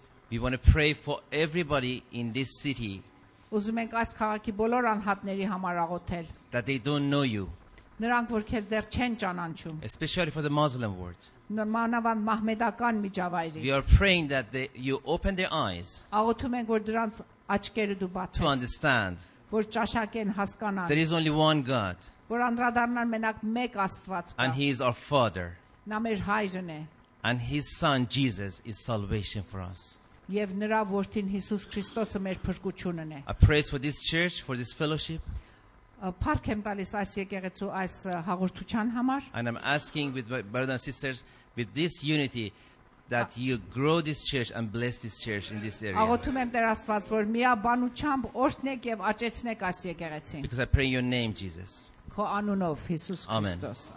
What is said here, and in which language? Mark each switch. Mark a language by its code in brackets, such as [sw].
[en] We want to pray for everybody in this city [hy] Ուզում ենք այս քաղաքի բոլոր անհատների համար աղոթել. [en] That they don't know you. [hy] Նրանք որ քեզ դեռ չեն ճանաչում. [en] Especially for the Muslim world. [hy] Նորմանավան մահմեդական միջավայրից. [en] We are praying that you open their eyes. [hy] Աղոթում ենք որ դրանց աչքերը դու բացես. [en] To understand. [hy] Որ ճաշակեն հասկանան. [en] There is only one God. [hy] Որ անդրադառնան մենակ մեկ Աստված կա. [en] And he is our father. [hy] Նա մեր հայրն է. [en] And his son Jesus is salvation for us. [hy] Եվ նրա որդին Հիսուս Քրիստոսը մեր փրկությունն է. [en] I pray for this church, for this fellowship. [hy] Փառք եմ տալիս այս եկեղեցու այս հաղորդության համար. [en] And I'm asking with my brothers and sisters with this unity that you grow this church and bless this church in this area. [hy] Աղոթում եմ Տեր Աստված, որ միաբանությամբ օրհնեք եւ աճեցնեք այս եկեղեցին. [en] Because I pray in your name, Jesus. [hy] Քո անունով Հիսուս Քրիստոս.